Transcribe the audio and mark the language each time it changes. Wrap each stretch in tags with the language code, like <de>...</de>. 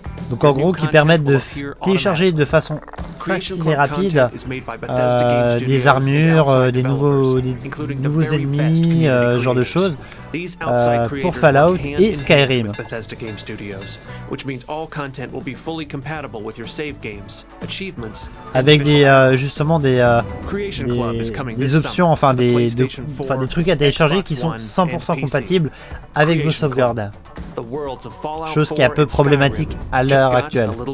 <fr>Donc en gros, qui permettent de télécharger de façon facile et rapide des armures, des nouveaux ennemis, ce genre de choses pour Fallout et Skyrim.</fr> <en>Bethesda Game Studios, which means all content will be fully compatible with your save games, achievements.</en> <fr>Avec des justement des options, enfin des trucs à télécharger qui sont 100% compatibles avec vos sauvegardes. Chose qui est un peu problématique à l'heure actuelle.</fr>